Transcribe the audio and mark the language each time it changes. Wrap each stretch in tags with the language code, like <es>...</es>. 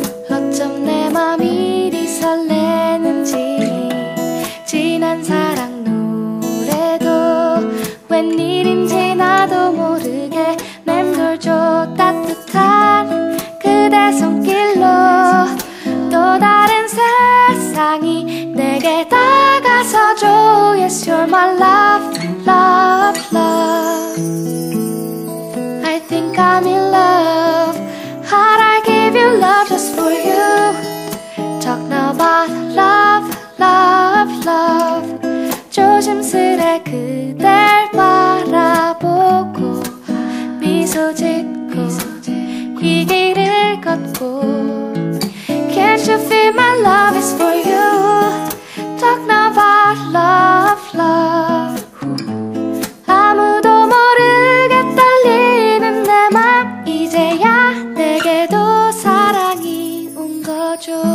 <ko>어쩜 내 맘 이리 설레는지 지난 사랑 노래도 웬일인지 나도 모르게 맴돌죠. 따뜻한 그대 손길로 또 다른 세상이 내게 다가서죠.</ko> <en>Yes, you're my love, love, love. I think I'm in love. How'd I give you love just for you? Talk now about love, love, love.</en> <ko>조심스레 그댈 바라보고 미소 짓고 이 길을 걷고</ko> <en>Can't you feel my love is for you? Talk now about love, love.</en> <ko>아무도 모르게 떨리는 내 맘 이제야 내게도 사랑이 온 거죠.</ko>